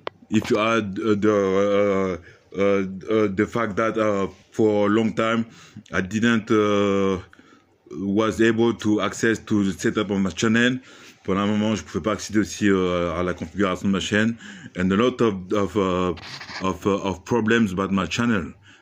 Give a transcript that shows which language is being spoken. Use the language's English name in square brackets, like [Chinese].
[English] If you add the fact that for a long time I didn't was able to access to the setup of my channel. [French] Pour un moment, je pouvais pas accéder aussi à la configuration de ma chaîne. [English] And a lot of problems about my channel.